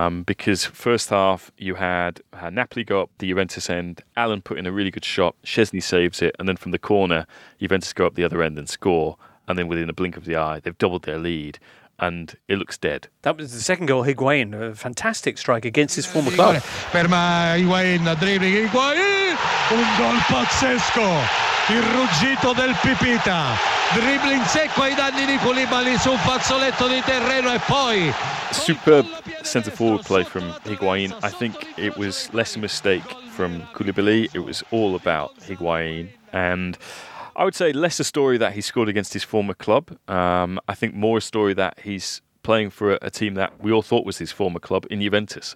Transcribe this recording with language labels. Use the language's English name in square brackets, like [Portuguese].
[English] Because first half, you had Napoli go up the Juventus end. Allan put in a really good shot. Szczesny saves it. And then from the corner, Juventus go up the other end and score. And then within a blink of the eye, they've doubled their lead. And it looks dead. That was the second goal, Higuain, a fantastic strike against his former club. [Italian] Ferma Higuain, dribbling Higuain, un gol pazzesco, il ruggito del Pipita, dribbling secco ai danni di Koulibaly su un fazzoletto di terreno e poi... [English] Superb centre-forward play from Higuain. I think it was less a mistake from Koulibaly, it was all about Higuain, and... I would say less a story that he scored against his former club. I think more a story that he's playing for a team that we all thought was his former club in Juventus.